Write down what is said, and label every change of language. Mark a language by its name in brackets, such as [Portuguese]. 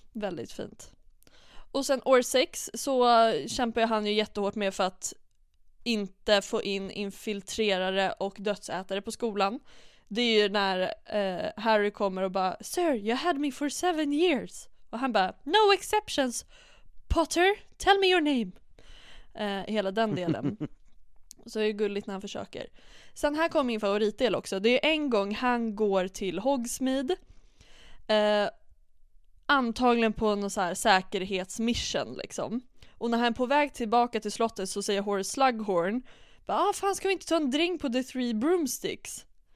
[Swedish] Väldigt fint. Och sen år 6 så kämpar han ju jättehårt med för att inte få in infiltrerare och dödsätare på skolan. Det är ju när Harry kommer och bara, [English] Sir, you had me for 7 years. [Swedish] Och han bara, [English] no exceptions. Potter, tell me your name. [Swedish] Hela den delen. Så är det gulligt när han försöker. Sen här kommer min favoritdel också. Det är en gång han går till Hogsmeade. Antagligen på någon så här säkerhetsmission liksom. Och när han är på väg tillbaka till slottet så säger Horace Slughorn, ah, fan, ska vi inte ta en drink på The Three Broomsticks?